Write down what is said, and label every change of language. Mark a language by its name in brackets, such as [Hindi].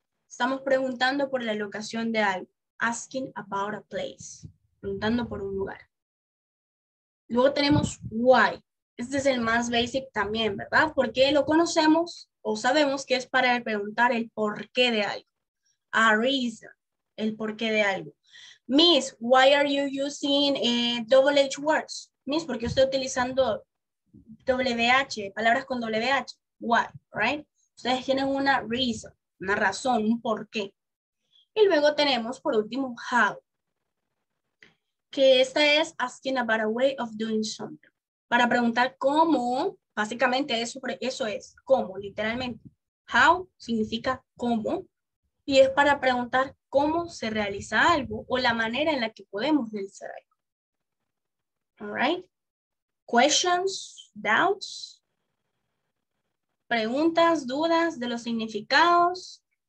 [Spanish] Estamos preguntando por la locación de algo. [English] Asking about a place. [Spanish] Preguntando por un lugar. Luego tenemos why. Este es el más basic también, ¿verdad? Porque lo conocemos o sabemos que es para preguntar el porqué de algo. [English] A reason. [Spanish] El porqué de algo. [English] Miss, why are you using double-edged words? [Spanish] Miss, ¿por qué estoy utilizando WH, palabras con WH? [English] Why, right? [Spanish] Ustedes tienen una reason, una razón, un porqué. Y luego tenemos, por último, how. Que esta es [English] asking about a way of doing something. [Spanish] Para preguntar cómo, básicamente eso es, cómo, literalmente. How significa cómo. Y es para preguntar cómo se realiza algo o la manera en la que podemos realizar algo. [English] All right. Questions, doubts, [Spanish] preguntas, dudas de los significados.